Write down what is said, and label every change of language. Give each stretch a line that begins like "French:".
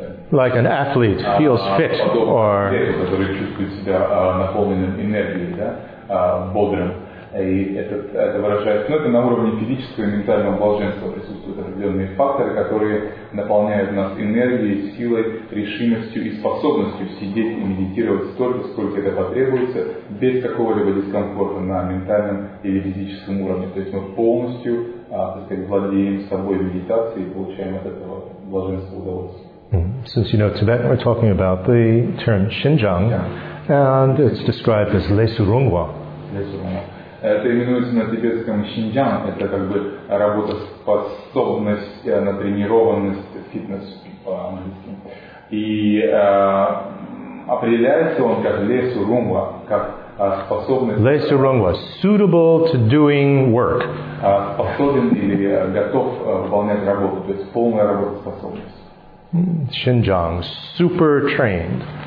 English: Like an athlete feels fit, or
Russian: который чувствует себя наполненным энергией, да, бодрым. И это выражается, ну, это на уровне физического и ментального блаженства присутствуют определенные факторы, которые наполняют нас энергией, силой, решимостью и способностью сидеть и медитировать столько, сколько это потребуется, без какого-либо дискомфорта на ментальном или физическом уровне. То есть мы полностью, так сказать, владеем собой медитацией и получаем от этого блаженство, удовольствие.
English: Since you know Tibet, we're talking about the term Shinjang, and it's described as Lesurungwa. Lesurungwa.
Russian: Это именуется на тибетском Шинджан. Это как бы работоспособность, натренированность, фитнес по-английски. И определяется он как Лесурунгва, как способность.
English: Лесурунгва, suitable to doing work.
Russian: Способен или готов выполнять работу, то есть полная работоспособность.
English: Шинджан, super trained.